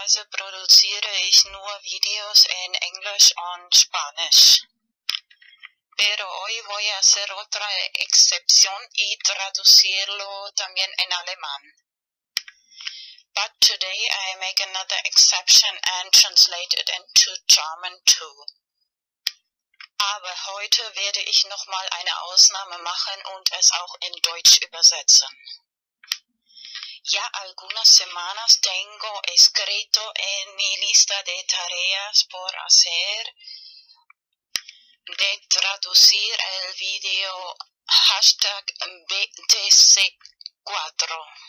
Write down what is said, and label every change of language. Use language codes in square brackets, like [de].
[de] Produziere ich nur Videos in Englisch und Spanisch. [es] Pero hoy voy a hacer otra excepción y traducirlo también en alemán. [en] But today I make another exception and translate it into German too. [de] Aber heute werde ich nochmal eine Ausnahme machen und es auch in Deutsch übersetzen. [es] Ya algunas semanas tengo escrito en mi lista de tareas por hacer de traducir el video hashtag BTC4.